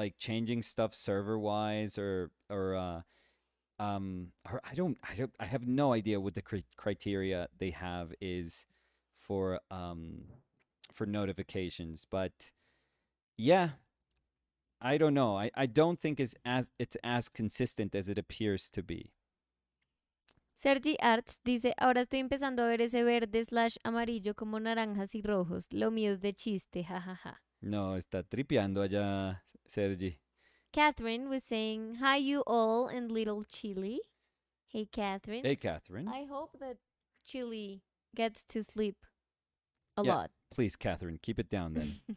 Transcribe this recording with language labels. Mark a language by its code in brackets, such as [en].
[en] like changing stuff server-wise or I have no idea what the criteria they have is for notifications, but yeah, I don't know. I don't think it's as consistent as it appears to be. [es] Sergi Arts dice, ahora estoy empezando a ver ese verde slash amarillo como naranjas y rojos. Lo mío es de chiste, jajaja. No, está tripeando allá, Sergi. [en] Catherine was saying, hi you all and little Chili. Hey Catherine, Hey, Catherine. I hope that Chili gets to sleep a Yeah, lot. please, Catherine, keep it down then.